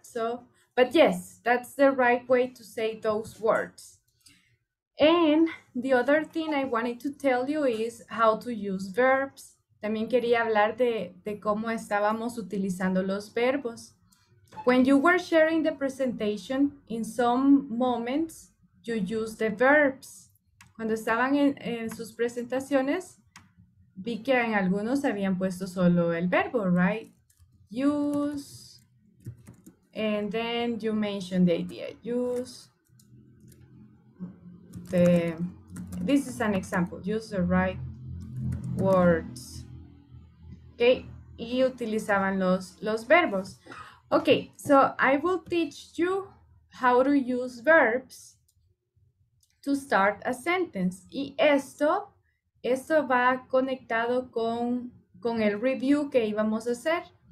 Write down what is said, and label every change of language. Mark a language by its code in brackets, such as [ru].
[en] So, but yes, that's the right way to say those words. And the other thing I wanted to tell you is how to use verbs. [es] También quería hablar de cómo estábamos utilizando los verbos. [en] When you were sharing the presentation, in some moments, you use the verbs. [es] Cuando estaban en sus presentaciones, vi que en algunos habían puesto solo el verbo, right? [en] Use, and then you mentioned the idea, use. This is an example. Use the right words. Okay. [es] Y utilizaban los verbos. Okay. [en] So I will teach you how to use verbs to start a sentence. [es] Y esto va conectado con el review que íbamos a hacer.